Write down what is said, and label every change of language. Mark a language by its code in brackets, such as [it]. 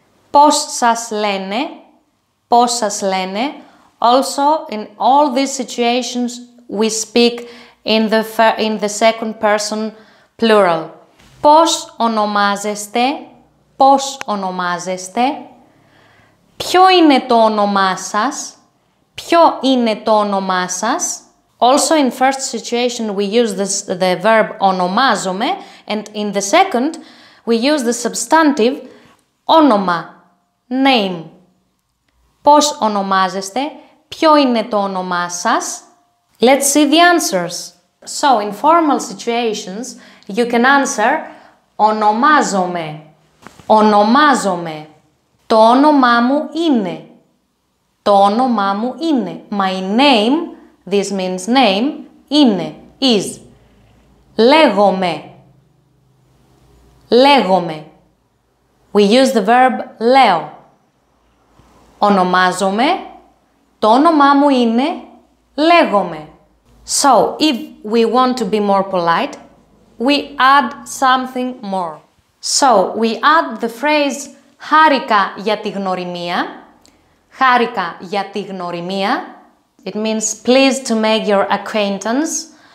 [el] Πώς σας λένε, πώς σας λένε. [en] Also, in all these situations, we speak in the second person plural. [el] Πώς ονομάζεστε, πώς ονομάζεστε. Ποιο είναι το όνομά σας, ποιο είναι το όνομά σας. [en] Also, in first situation, we use the verb ονομάζομαι, and in the second, we use the substantive όνομα, name. [el] Πώς ονομάζεστε, ποιο είναι το όνομά σας. [en] Let's see the answers. So, in formal situations, you can answer [el] ονομάζομαι, ονομάζομαι. Το όνομά μου είναι, το όνομά μου είναι. [en] My name, this means name, είναι, is. [el] Λέγομαι, λέγομαι. [en] We use the verb λέω. [el] Ονομάζομαι, το όνομά μου είναι, λέγομαι. [en] So, if we want to be more polite, we add something more. So, we add the phrase [el] χάρηκα για τη γνωριμία. Χάρηκα για τη γνωριμία. [en] It means pleased to make your acquaintance.